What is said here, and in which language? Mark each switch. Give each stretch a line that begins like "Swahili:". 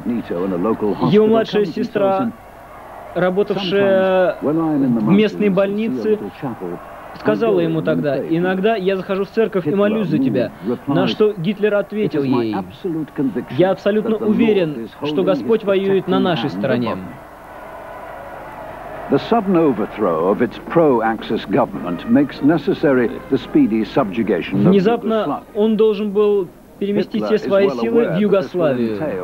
Russian: Его младшая сестра, работавшая в местной больнице, сказала ему тогда: «Иногда я захожу в церковь и молюсь за тебя». На что Гитлер ответил ей: «Я абсолютно уверен, что Господь воюет на нашей стороне».
English: The sudden overthrow of its pro-Axis government makes necessary the speedy subjugation of Yugoslavia.
Russian: Внезапно он должен был переместить все свои силы в Югославию.